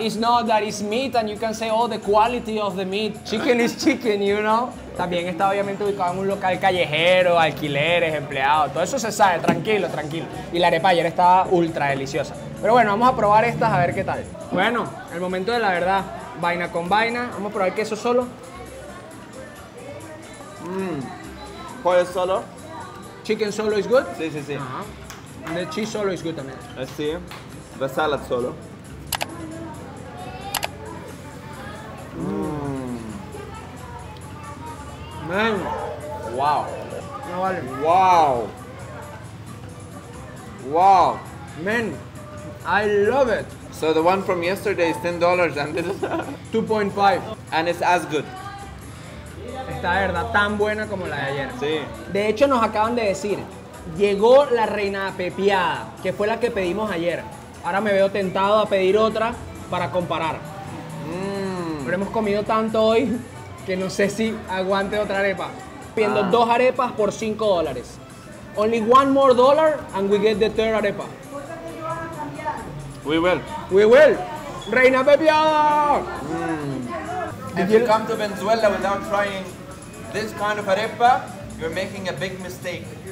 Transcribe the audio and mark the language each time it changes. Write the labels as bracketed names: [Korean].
[English] It's not that it's meat and you can say, oh, the quality of the meat. Chicken is chicken, you know? [Spanish] También está obviamente ubicado en un local callejero, alquileres, empleados, todo eso se sabe, tranquilo, tranquilo. Y la arepa ayer estaba ultra deliciosa. Pero bueno, vamos a probar estas a ver qué tal. Bueno, el momento de la verdad, vaina con vaina. Vamos a probar el queso solo. ¿Pollo solo? [English] ¿Chicken solo is good? [Spanish] Sí, sí, sí. [English] Uh-huh. The cheese solo is good [Spanish] también. Sí, [English] the salad solo. Man, wow. [Spanish] No vale. [English] Wow. Wow. Man, I love it. So the one from yesterday is $10 and this is 2.5. And it's as good. [Spanish] Está de verdad tan buena como la de ayer. Sí. De hecho, nos acaban de decir, llegó la reina pepiada, que fue la que pedimos ayer. Ahora me veo tentado a pedir otra para comparar. Pero hemos comido tanto hoy que no sé si aguante otra arepa. Pidiendo dos arepas por $5. [English] Only one more dollar and we get the third arepa. We will. We will. Reina pepiada. If you come to Venezuela without trying this kind of arepa, you're making a big mistake.